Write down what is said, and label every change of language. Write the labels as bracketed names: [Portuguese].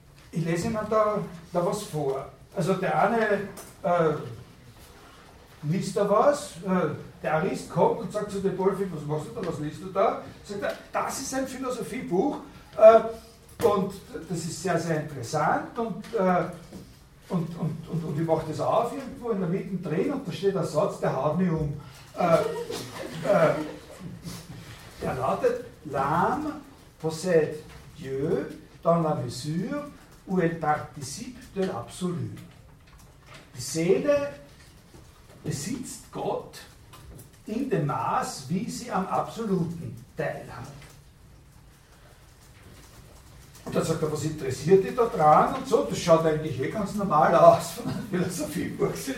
[German] Ich lese Ihnen da was vor. Also der eine liest da was, der Ariste kommt und sagt zu dem Polyphile, was machst du da, was liest du da? Sagt er, das ist ein Philosophiebuch. Und das ist sehr, sehr interessant und ich mache das auf irgendwo in der Mitte drin und da steht ein Satz, der haut mich um. Der lautet, [French] l'âme possède Dieu dans la mesure où elle participe de l'absolu. [German] Die Seele besitzt Gott in dem Maß, wie sie am Absoluten teilhat. Da dann sagt er, was interessiert dich da dran und so, das schaut eigentlich eh ganz normal aus von einem Philosophiebuch.